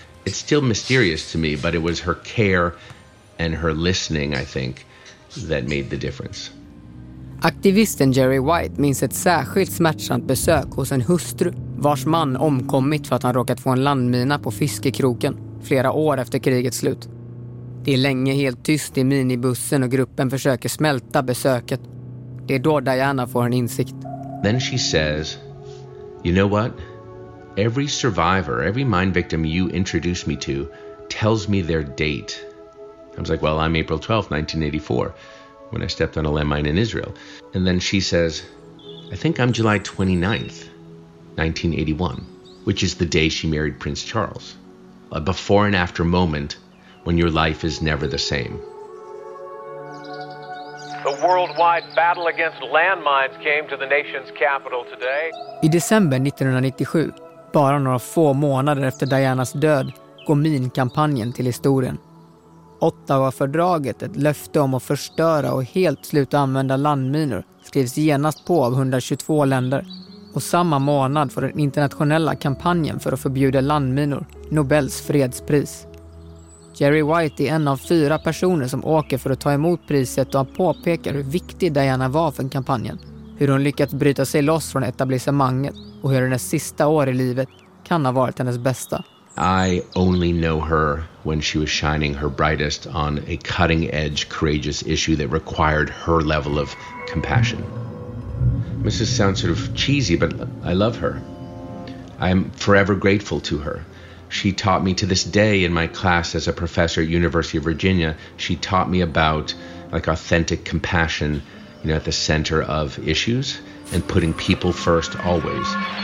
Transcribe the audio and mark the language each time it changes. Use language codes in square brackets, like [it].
[en] It's still mysterious to me, but it was her care and her listening, I think, that made the difference. [sv] Aktivisten Jerry White minns ett särskilt smärtsamt besök hos en hustru vars man omkommit för att han råkat få en landmina på fiskekroken flera år efter krigets slut. Det är länge helt tyst i minibussen och gruppen försöker smälta besöket. Det är då Diana får en insikt. [en] Then she says, "You know what? Every survivor, every mine victim you introduce me to tells me their date." I was like, "Well, I'm April 12th, 1984, when I stepped on a landmine in Israel." And then she says, "I think I'm July 29th, 1981, which is the day she married Prince Charles. A before and after moment when your life is never the same." The worldwide battle against landmines came to the nation's capital today. [sv] I december 1997, bara några få månader efter Dianas död, går minkampanjen till historien. Ottawa-fördraget, ett löfte om att förstöra och helt sluta använda landminor, skrivs genast på av 122 länder. Och samma månad får den internationella kampanjen för att förbjuda landminor Nobels fredspris. Jerry White är en av fyra personer som åker för att ta emot priset och påpekar hur viktig Diana var för kampanjen. Hur hon lyckats bryta sig loss från etablissemanget och hur hennes sista år i livet kan ha varit hennes bästa. [en] I only know her when she was shining her brightest on a cutting edge courageous issue that required her level of compassion. This sounds sort of cheesy, but I love her. I am forever grateful to her. She taught me to this day in my class as a professor at University of Virginia, she taught me about like authentic compassion, at the center of issues and putting people first always.